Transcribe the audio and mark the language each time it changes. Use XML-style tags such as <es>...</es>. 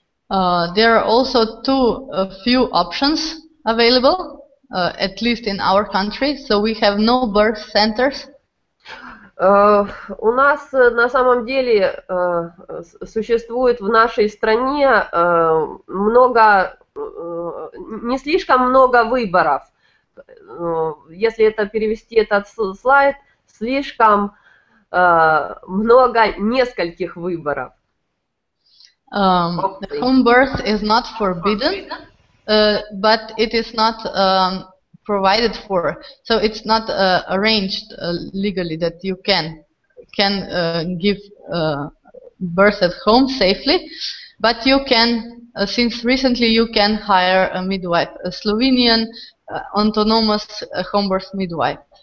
<en>There are also too few options available, at least in our country, so we have no birth centers.</en> <ru>У нас на самом деле существует в нашей стране не слишком много выборов. Если это перевести этот слайд, слишком много нескольких выборов.</ru> <en>Home birth is not forbidden, but it is not provided for. So it's not arranged legally that you can give birth at home safely, but you can, since recently you can hire a midwife, a Slovenian autonomous home birth midwife.</en>